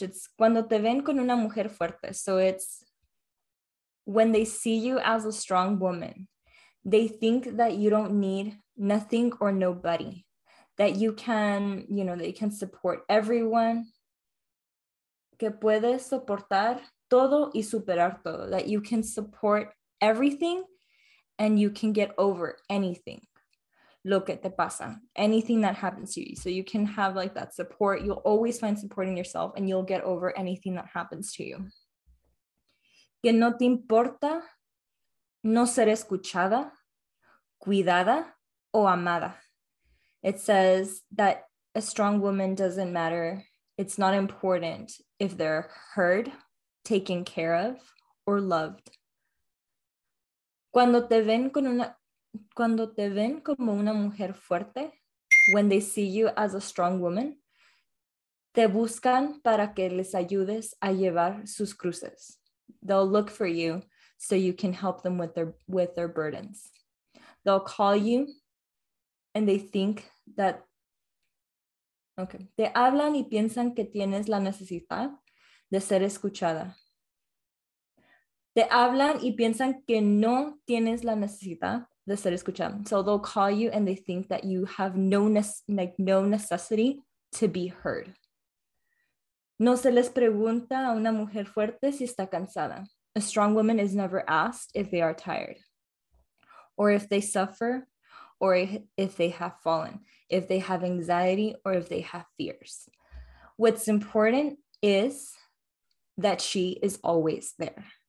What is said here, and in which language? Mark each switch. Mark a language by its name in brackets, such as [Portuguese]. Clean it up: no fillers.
[Spanish] It's cuando te ven con una mujer fuerte. [English] So it's when they see you as a strong woman, they think that you don't need nothing or nobody, that you can, you know, that you can support everyone. [Spanish] Que puedes soportar todo y superar todo. [English] That you can support everything and you can get over anything. [Spanish] Lo que te pasa, [English] anything that happens to you. So you can have like that support. You'll always find support in yourself, and you'll get over anything that happens to you. [Spanish] Que no te importa no ser escuchada, cuidada, o amada. [English] It says that a strong woman doesn't matter. It's not important if they're heard, taken care of, or loved. [Spanish] Cuando te ven con una... Cuando te ven como una mujer fuerte, [English] when they see you as a strong woman, [Spanish] te buscan para que les ayudes a llevar sus cruces. [English] They'll look for you so you can help them with their burdens. They'll call you and they think that... Okay. [Spanish] Te hablan y piensan que tienes la necesidad de ser escuchada. Te hablan y piensan que no tienes la necesidad the ser escucha. [English] So they'll call you and they think that you have no necessity to be heard. [Spanish] No se les pregunta a una mujer fuerte si está cansada. [English] A strong woman is never asked if they are tired or if they suffer or if they have fallen, if they have anxiety or if they have fears. What's important is that she is always there.